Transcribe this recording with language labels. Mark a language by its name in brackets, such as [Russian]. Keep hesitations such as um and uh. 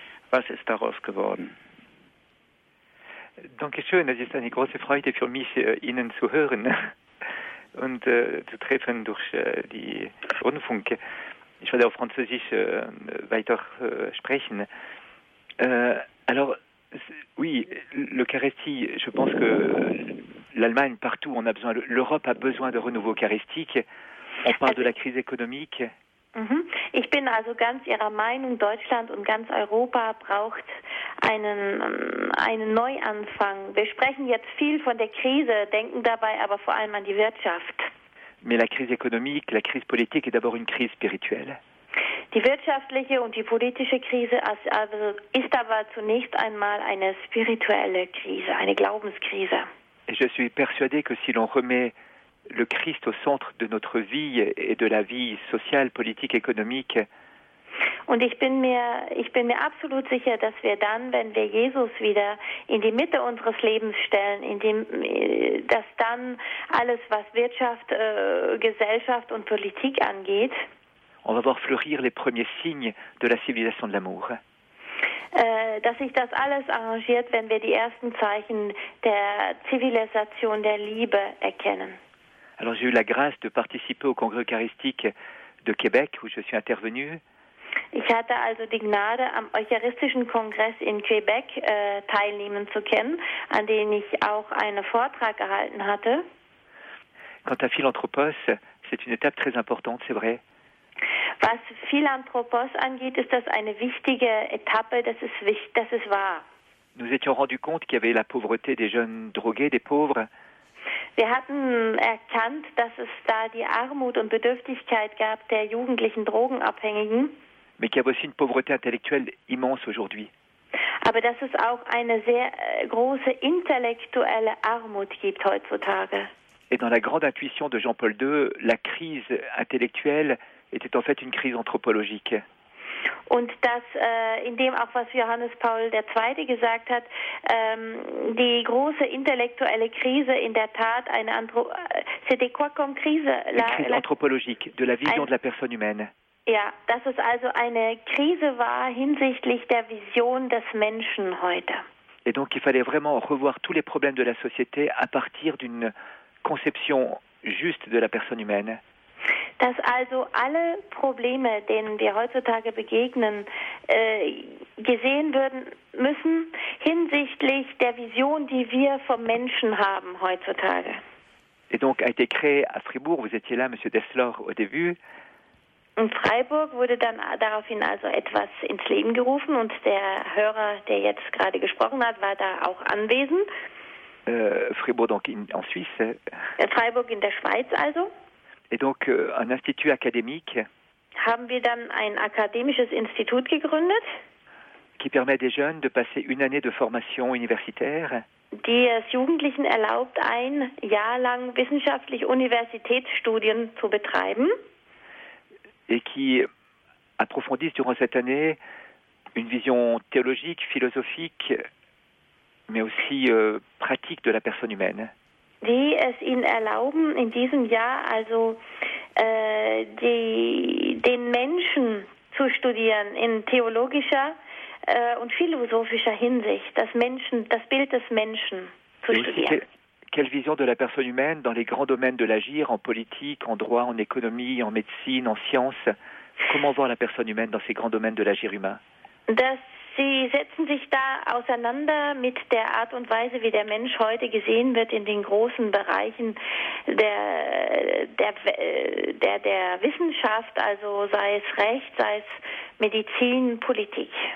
[German] Was ist daraus geworden? Dankeschön, das ist eine große Freude für mich, äh, Ihnen zu hören und äh, zu treffen durch äh, die Rundfunk. Ich werde auf Französisch äh, weiter äh, sprechen. [French] Euh, alors, c'est- oui, l'Eucharistie, je pense que l'Allemagne, partout, on a besoin, l'Europe a besoin de renouveau eucharistique. On parle de la crise économique. Mhm. [German] Ich bin also ganz Ihrer Meinung, Deutschland und ganz Europa braucht einen, ähm, einen Neuanfang. Wir sprechen jetzt viel von der Krise, denken dabei aber vor allem an die Wirtschaft. [French] Mais la crise économique, la crise politique est d'abord une crise spirituelle. [German] Die wirtschaftliche und die politische Krise ist also- ist aber zunächst einmal eine spirituelle Krise, eine Glaubenskrise. [French] Et je suis persuadé que si l'on remet le Christ au centre de notre vie et de la vie sociale, politique, économique, [German] Und ich bin mir, ich bin mir absolut sicher, dass wir dann, wenn wir Jesus wieder in die Mitte unseres Lebens stellen, in dem, äh, dass dann alles, was Wirtschaft, äh, Gesellschaft und Politik angeht, [French] on va voir fleurir les premiers signes de la civilisation de l'amour. [German] äh, dass sich das alles arrangiert, wenn wir die ersten Zeichen der Zivilisation der Liebe erkennen. [French] Alors j'ai eu la grâce de participer au congrès eucharistique de Québec où je suis intervenu [German] Ich hatte also die Gnade, am Eucharistischen Kongress in Quebec äh, teilnehmen zu können, an den ich auch einen Vortrag gehalten hatte. [French] Quant à Philanthropos, c'est une étape très importante, c'est vrai. [German] Was Philanthropos angeht, ist das eine wichtige Etappe, das ist, wichtig, das ist wahr. [French] Nous étions rendus compte qu'il y avait la pauvreté des jeunes drogués, des pauvres, [German] Wir hatten erkannt, dass es da die Armut und Bedürftigkeit gab der jugendlichen Drogenabhängigen, [French] mais qu'il y avait aussi une pauvreté intellectuelle immense aujourd'hui. [German] aber dass es auch eine sehr äh, große intellektuelle Armut gibt heutzutage. [French] Et dans la grande intuition de Jean-Paul II, la crise intellectuelle était en fait une crise anthropologique. [German] Und dass äh, in dem auch, was Johannes Paul II. gesagt hat, ähm, die große intellektuelle Krise in der Tat eine Andro äh, [French] c'était quoi comme [German] Krise? [French] Une La, crise la, anthropologique de la vision [German] Ein- [French] de la personne humaine. [German] ja, dass es also eine Krise war hinsichtlich der Vision des Menschen heute. [French] Et donc il fallait vraiment revoir tous les problèmes de la société à partir d'une conception juste de la personne humaine. [German] Dass also alle Probleme, denen wir heutzutage begegnen, äh, gesehen würden müssen hinsichtlich der Vision, die wir vom Menschen haben heutzutage. [French] et donc a été créé à Fribourg. Vous étiez là, Monsieur Desslor, au début. [German] In Freiburg wurde dann daraufhin also etwas ins Leben gerufen und der Hörer, der jetzt gerade gesprochen hat, war da auch anwesend. [French] Euh, Fribourg, donc in- en Suisse. [German] In Freiburg in der Schweiz also [French] Et donc euh, un institut académique [German] haben wir dann ein akademisches Institut gegründet, [French] qui permet à des jeunes de passer une année de formation universitaire [German] die es Jugendlichen erlaubt, ein Jahr lang wissenschaftlich Universitätsstudien zu betreiben. [French] et qui approfondissent durant cette année une vision théologique, philosophique, mais aussi euh, pratique de la personne humaine. [German] die es ihnen erlauben, in diesem Jahr also äh, die, den Menschen zu studieren in theologischer äh, und philosophischer Hinsicht, das Menschen, das Bild des Menschen zu [French] Et aussi, [German] studieren. [French] quelle, quelle vision de la personne humaine dans les grands domaines de l'agir, en politique, en droit, en économie, en médecine, en sciences Comment voir la personne humaine dans ces grands domaines de l'agir humain [German] Dass sie setzen sich da auseinander mit der Art und Weise, wie der Mensch heute gesehen wird in den großen Bereichen der der der, der Wissenschaft, also sei es Recht, sei es Medizin, Politik.